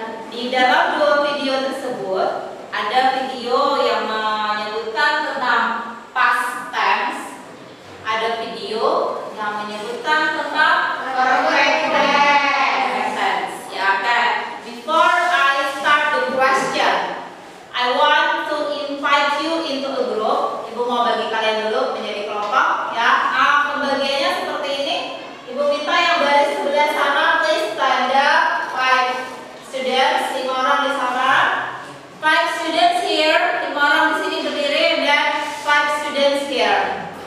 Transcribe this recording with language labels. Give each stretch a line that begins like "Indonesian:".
Indonesian: Di dalam dua video tersebut, ada video yang menyebutkan tentang past tense. Ada video yang menyebutkan tentang
English: present
Indonesian: tense. Ya, kan?
English: Before I start the question, I want to invite you into a group.
Indonesian: Ibu mau bagi kalian dulu menjadi kelompok. Ya, nah, pembagiannya seperti ini. Ibu minta yang baris sebelah sana, please tanda five. Students, 5 orang di sana.
English: 5 students here,
Indonesian: 5 orang di sini berdiri, dan 5 students here.